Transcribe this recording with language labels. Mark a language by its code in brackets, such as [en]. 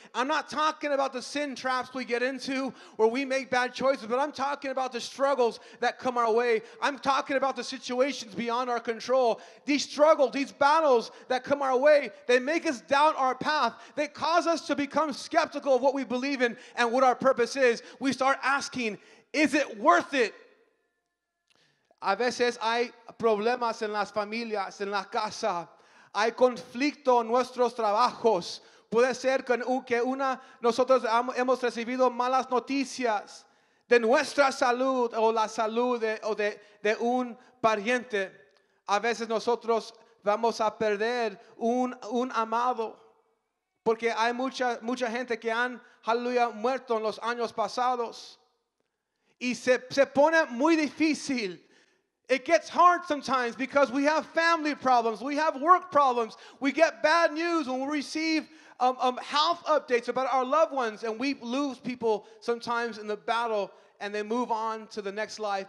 [en] I'm not talking about the sin traps we get into where we make bad choices, but I'm talking about the struggles that come our way. I'm talking about the situations beyond our control. These struggles, these battles that come our way, they make us doubt our path. They cause us to become skeptical of what we believe in and what our purpose is. We start asking, is it worth it? [es] A veces hay problemas en las familias, en la casa. Hay conflicto en nuestros trabajos. Puede ser que una, nosotros hemos recibido malas noticias de nuestra salud o la salud de un pariente. A veces nosotros vamos a perder un amado, porque hay mucha gente que han, aleluya, muerto en los años pasados. Y se pone muy difícil. [en] It gets hard sometimes because we have family problems. We have work problems. We get bad news when we receive health updates about our loved ones. And we lose people sometimes in the battle, and they move on to the next life.